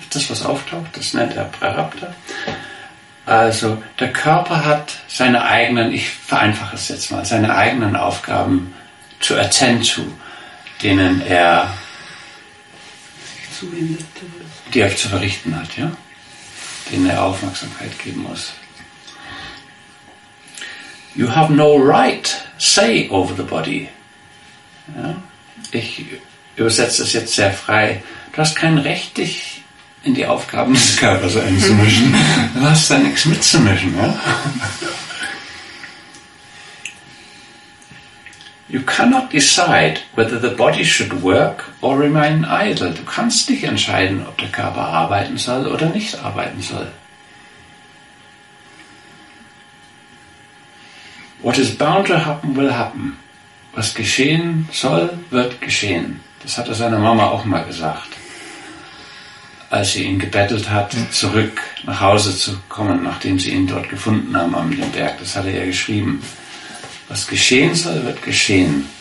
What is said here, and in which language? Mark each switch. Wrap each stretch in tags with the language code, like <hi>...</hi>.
<de>Das, was auftaucht, das nennt er Prarabdha. Also der Körper hat seine eigenen, ich vereinfache es jetzt mal, seine eigenen Aufgaben</de> <en>to attend to,</en> <de>denen er die er zu verrichten hat, ja? Denen er Aufmerksamkeit geben muss.</de> <en>you have no right say over the body.</en> <de>Ja? Ich übersetze es jetzt sehr frei. Du hast kein Recht, dich in die Aufgaben des Körpers einzumischen. Du hast da nichts mitzumischen. Ja?</de> <en>You cannot decide whether the body should work or remain idle.</en> <de>Du kannst nicht entscheiden, ob der Körper arbeiten soll oder nicht arbeiten soll.</de> <en>What is bound to happen will happen.</en> <de>Was geschehen soll, wird geschehen. Das hat er seiner Mama auch mal gesagt, als sie ihn gebettelt hat, zurück nach Hause zu kommen, nachdem sie ihn dort gefunden haben am Berg. Das hat er ja geschrieben. Was geschehen soll, wird geschehen.</de>